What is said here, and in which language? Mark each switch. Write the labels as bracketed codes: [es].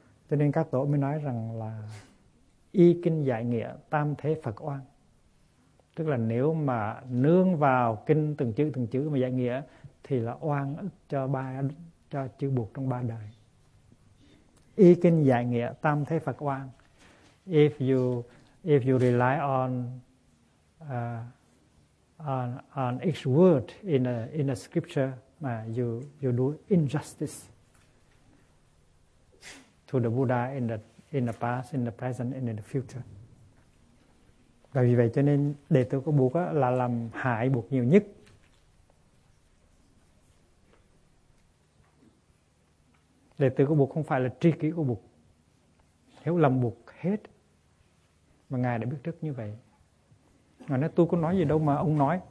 [vi] Cho nên các tổ mới nói rằng là y kinh giải nghĩa tam thế Phật oan. Tức là nếu mà nương vào kinh từng chữ mà giải nghĩa thì là oan ức cho chư Bụt trong ba đời. Y kinh giải nghĩa tam thế Phật oan. [en] If you rely on each word in a scripture, you do injustice to the Buddha in the past, in the present, and in the future. [vi] Và vì vậy cho nên đệ tử của Bụt là làm hại Bụt nhiều nhất. Đệ tử của Bụt không phải là tri kỷ của Bụt. Hiểu lầm Bụt hết. Mà Ngài đã biết trước như vậy. Ngài nói tôi có nói gì đâu mà ông nói.